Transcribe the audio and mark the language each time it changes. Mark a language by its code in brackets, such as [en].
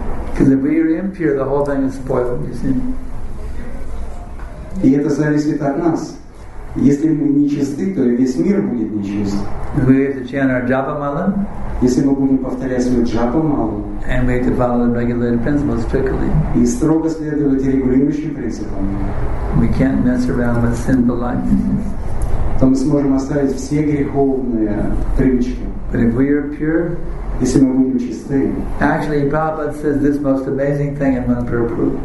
[en] Because if we are impure, the whole thing is spoiled, you see. [ru] И это зависит от нас. Если мы нечисты, то весь мир будет нечист. [en] We have to chant our japa mala. [ru] Если мы будем повторять свою джапа малу. [en] And we have to follow the regulated principles strictly. [ru] И строго следовать регулирующим принципам. [en] We can't mess around with sinful life. [ru] То мы сможем оставить все греховные привычки. [en] But if we are pure. [ru] Если мы будем чисты. [en] Actually, Prabhupada says this most amazing thing in Manipurapu.